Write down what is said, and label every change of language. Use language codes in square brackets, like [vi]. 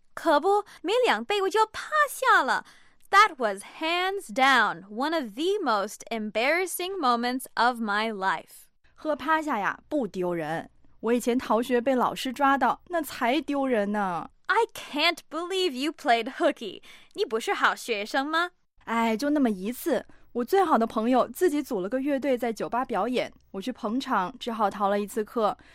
[zh] 可不，没两杯我就趴下了。 [en] That was hands down one of the most embarrassing moments of my life. [zh] 喝趴下呀，不丢人。我以前逃学被老师抓到，那才丢人呢。 [en] I can't believe you played hooky. [zh] 你不是好学生吗？哎，就那么一次。我最好的朋友自己组了个乐队在酒吧表演，我去捧场，只好逃了一次课。